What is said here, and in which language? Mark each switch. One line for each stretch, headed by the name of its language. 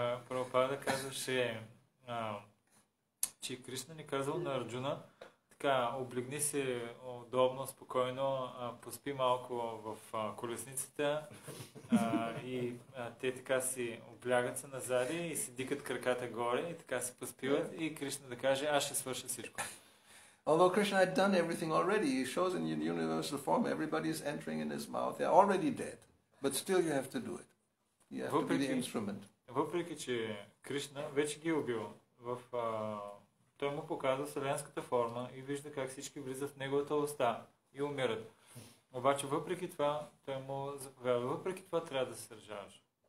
Bulgarian: Prabhupada казваше, че Krishna не казал на Arjuna, така, облегни се удобно, спокойно, поспи малко в колесницата и те така си облягат се назад и си дикат краката горе и така си поспиват и Кришна да каже, аз ще свърша всичко.
English: Although Krishna had done everything already, he shows in universal form, everybody is entering in his mouth, they are already dead, but still you have to do it. You have to be the instrument.
Bulgarian: Въпреки че Кришна вече ги е убил в... той му показва вселенската форма и вижда как всички влизат в неговата уста и умират. Обаче въпреки това, той му заповядва, въпреки това трябва да се сражаваш.